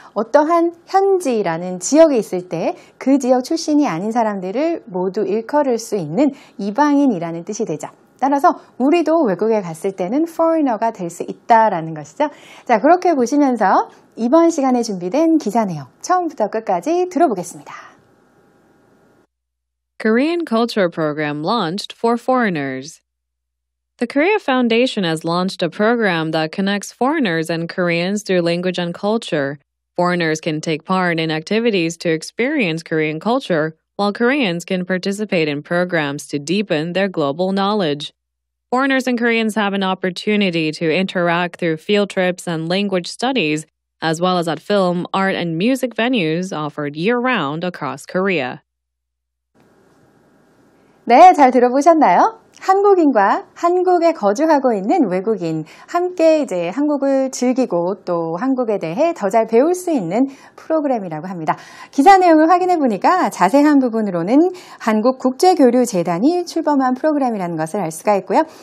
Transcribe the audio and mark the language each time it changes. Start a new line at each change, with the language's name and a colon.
Korean: 어떠한 현지라는 지역에 있을 때 그 지역 출신이 아닌 사람들을 모두 일컬을 수 있는 이방인이라는 뜻이 되죠. 따라서 우리도 외국에 갔을 때는 foreigner가 될 수 있다라는 것이죠. 자, 그렇게 보시면서 이번 시간에 준비된 기사 내용 처음부터 끝까지 들어보겠습니다.
English: Korean Culture Program Launched for Foreigners. The Korea Foundation has launched a program that connects foreigners and Koreans through language and culture. Foreigners can take part in activities to experience Korean culture, while Koreans can participate in programs to deepen their global knowledge. Foreigners and Koreans have an opportunity to interact through field trips and language studies, as well as at film, art, and music venues offered year-round across Korea.
Korean: 네, 잘 들어보셨나요? 한국인과 한국에 거주하고 있는 외국인 함께 이제 한국을 즐기고 또 한국에 대해 더 잘 배울 수 있는 프로그램이라고 합니다. 기사 내용을 확인해 보니까 자세한 부분으로는 한국 국제교류재단이 출범한 프로그램이라는 것을 알 수가 있고요.